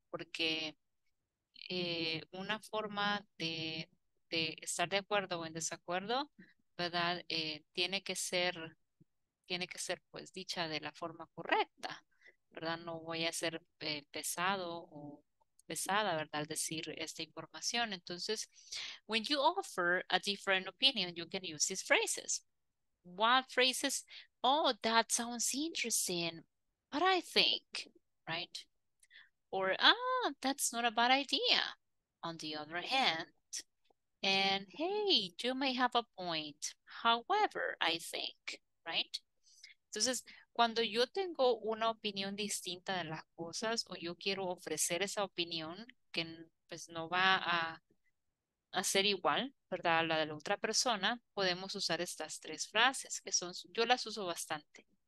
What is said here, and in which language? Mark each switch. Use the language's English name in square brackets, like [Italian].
[Spanish] Porque una forma de estar de acuerdo o en desacuerdo, ¿verdad? Tiene que ser pues dicha de la forma correcta, ¿verdad? No voy a ser pesado o pesada, ¿verdad? Al decir esta información. Entonces, [English] when you offer a different opinion, you can use these phrases. What phrases? Oh, that sounds interesting, but I think, right? Or, ah, that's not a bad idea. On the other hand, and hey, you may have a point. However, I think, right? [Spanish] Entonces, cuando yo tengo una opinión distinta de las cosas o yo quiero ofrecer esa opinión que pues no va a ser igual, ¿verdad? La de la otra persona, podemos usar estas tres frases que son, yo las uso bastante.